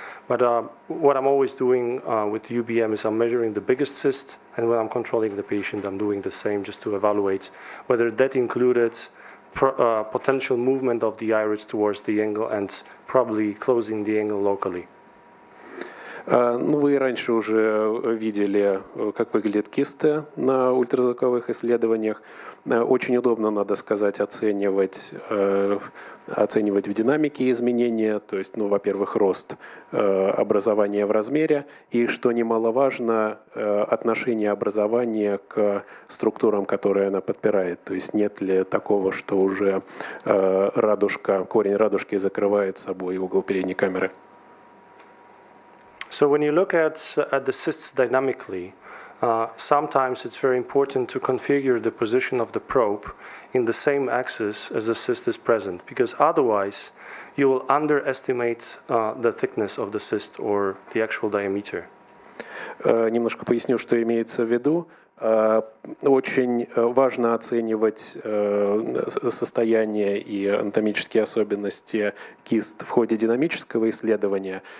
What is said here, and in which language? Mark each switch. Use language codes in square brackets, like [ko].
[en] But what I'm always doing with UBM is I'm measuring the biggest cyst, and when I'm controlling the patient, I'm doing the same just to evaluate whether that included potential movement of the iris towards the angle and probably closing the angle locally. [ru] Вы раньше уже видели, как выглядят кисты на ультразвуковых исследованиях. Очень удобно, надо сказать, оценивать в динамике изменения, то есть, ну, во-первых, рост образования в размере, и, что немаловажно, отношение образования к структурам, которые она подпирает. То есть нет ли такого, что уже радужка, корень радужки закрывает собой угол передней камеры? [en] So when you look at the cysts dynamically, sometimes it's very important to configure the position of the probe in the same axis as the cyst is present, because otherwise you will underestimate the thickness of the cyst or the actual diameter. [ru] Немножко поясню, что имеется в виду. Очень важно оценивать состояние и анатомические особенности кист в ходе динамического исследования.